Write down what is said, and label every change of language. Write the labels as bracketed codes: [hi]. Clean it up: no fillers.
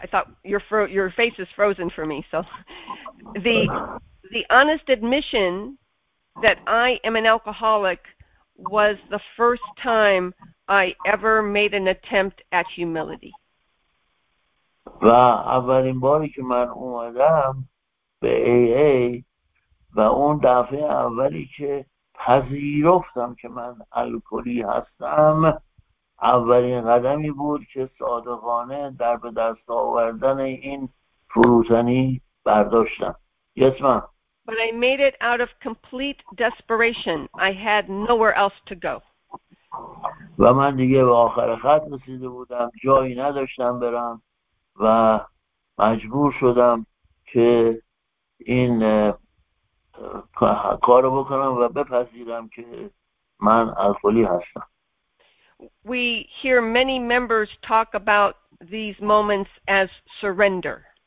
[en] I thought your face is frozen for me. So the honest admission that I am an alcoholic was the first time I ever made an attempt at humility. [fa] و اولین باری که من اومدم به AA و اون دفعه اولی که پذیرفتم که من الکلی هستم، اولین قدمی بود که صادقانه در به دست آوردن این فروتنی برداشتم. [en] Yes, ma'am. But I made it out of complete desperation. I had nowhere else to go. [fa] و من دیگه به آخر خط رسیده بودم، جایی نداشتم برم و مجبور شدم که این کارو بکنم و بپذیرم که من الکلی هستم. [en] We hear many members talk about these moments as surrender.